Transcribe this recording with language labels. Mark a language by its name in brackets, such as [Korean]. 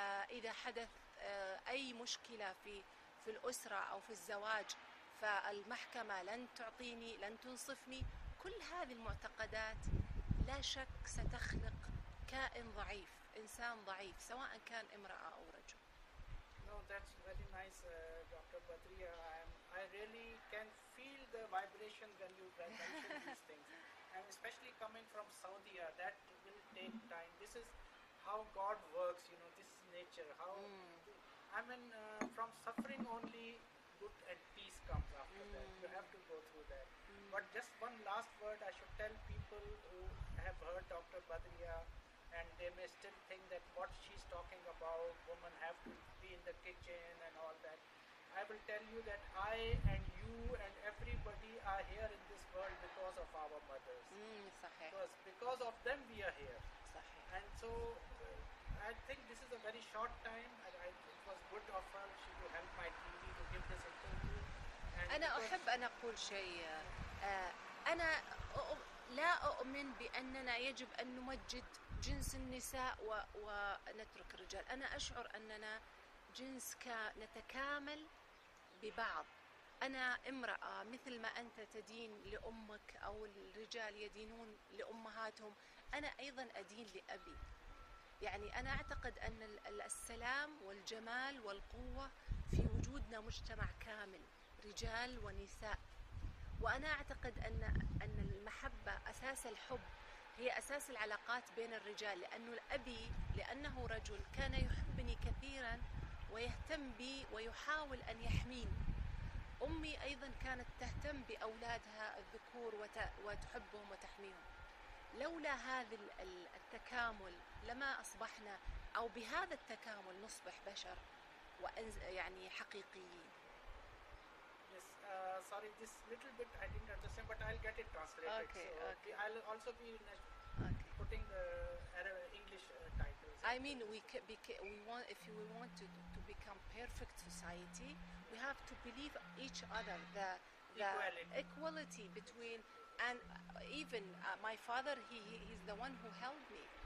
[Arabic] إذا حدث أي مشكلة في الأسرة أو في الزواج، فالمحكمة لن تنصفني. كل هذه المعتقدات لا شك ستخلق كائن ضعيف، إنسان ضعيف، سواء كان امرأة أو رجل. [English] No, that's very nice, Dr. Badriya. I really can feel the vibration when you mention these things. And especially coming from Saudi, that will take time. This is how God works, you know, this nature, how, I mean, from suffering only good and peace comes after that. You have to go through that. But just one last word I should tell people who have heard Dr. Badriya, and they may still think that what she's talking about, women have to be in the kitchen and all that. I will tell you that I and you and everybody are here in this world because of our mothers. Because of them we are here. And so I think this is a very short time, and it was good of her to help my TV to give this interview. And I [Arabic] أحب أن أقول شيء. أنا لا أؤمن بأننا يجب أن نمجد جنس النساء ونترك الرجال. أنا أشعر أننا جنس نتكامل ببعض. أنا امرأة مثل ما أنت تدين لأمك أو الرجال يدينون لأمهاتهم، أنا أيضا أدين لأبي. يعني أنا أعتقد أن السلام والجمال والقوة في وجودنا مجتمع كامل رجال ونساء، وأنا أعتقد أن المحبة أساس الحب هي أساس العلاقات بين الرجال، لأنه الأبي لأنه رجل كان يحبني كثيرا ويهتم بي ويحاول أن يحميني. أمي أيضا كانت تهتم بأولادها الذكور وتحبهم وتحميهم. لولا هذا التكامل لما أصبحنا، أو بهذا التكامل نصبح بشر يعني حقيقيين. [English] Yes, sorry, this little bit I didn't understand, but I'll get it translated. Okay. I'll also be putting English titles. I mean, if we want to become perfect society, we have to believe each other, the equality between, and even my father, he's the one who helped me.